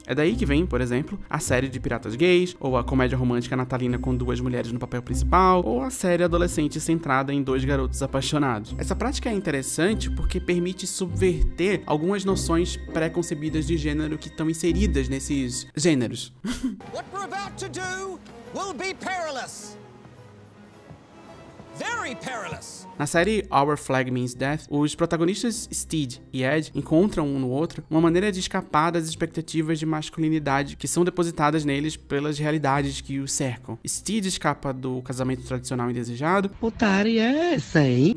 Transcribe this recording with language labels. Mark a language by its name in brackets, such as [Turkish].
[Portuguese] É daí que vem, por exemplo, a série de piratas gays, ou a comédia romântica natalina com duas mulheres no papel principal, ou a série adolescente centrada em dois garotos apaixonados. Essa prática é interessante porque permite subverter algumas noções pré-concebidas de gênero que estão inseridas nesses gêneros. [English] What we're about to do will be perilous. Very perilous. [Portuguese] Na série Our Flag Means Death, os protagonistas Steed e Ed encontram um no outro uma maneira de escapar das expectativas de masculinidade que são depositadas neles pelas realidades que os cercam. Steed escapa do casamento tradicional indesejado. Putaria é essa, hein?